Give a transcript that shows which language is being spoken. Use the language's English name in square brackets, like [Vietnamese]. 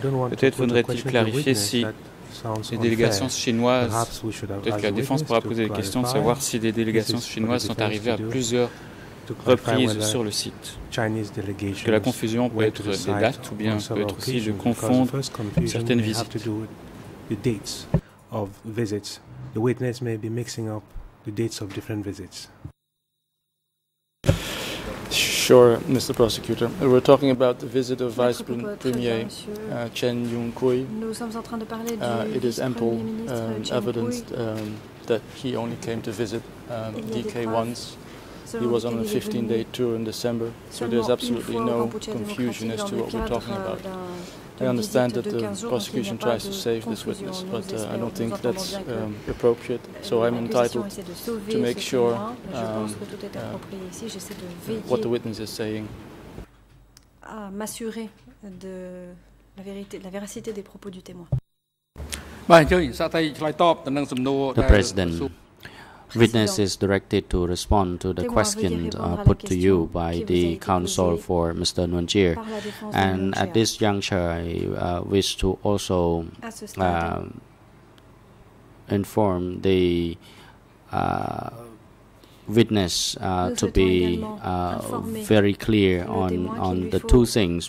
[French] Peut-être faudrait-il clarifier si les délégations chinoises, peut-être que la défense pourra poser des questions de savoir si des délégations chinoises sont arrivées à plusieurs reprises sur le site. Que la confusion peut être des dates ou bien peut être aussi de confondre certaines visites. [English] The witness may be mixing up the dates of different visits. Sure, Mr. Prosecutor. We're talking about the visit of Vice Premier Chen Yung-kui. It is ample evidence that he only came to visit DK once. He was on a 15-day tour in December, so there's absolutely no confusion as to what we're talking about. I understand that the prosecution tries to save this witness, but I don't think that's appropriate. So I'm entitled to make sure what the witness is saying. [French] M'assurer de la vérité, de la véracité des propos du témoin. [English] The President. Witness is directed to respond to the question put to you by the counsel for Mr. Nguyen-Chir. And at this juncture, I wish to also inform the witness to be very clear on the two things.